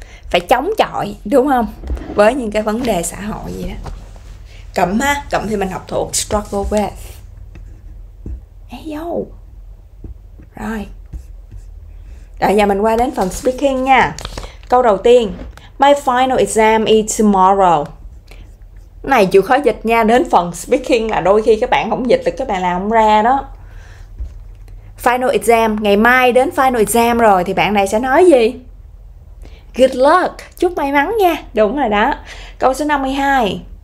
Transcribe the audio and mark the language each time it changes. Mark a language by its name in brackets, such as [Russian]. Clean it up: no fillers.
[Vietnamese] Phải chống chọi đúng không? Với những cái vấn đề xã hội gì đó. Cụm ha, cụm thì mình học thuộc struggle with. Rồi, giờ mình qua đến phần speaking nha. Câu đầu tiên, [English] My final exam is tomorrow. [Vietnamese] Này chịu khó dịch nha, đến phần speaking là đôi khi các bạn không dịch được các bạn làm không ra đó. Final exam, ngày mai đến final exam rồi thì bạn này sẽ nói gì? [English] Good luck, [Vietnamese] chúc may mắn nha. Đúng rồi đó. Câu số 52.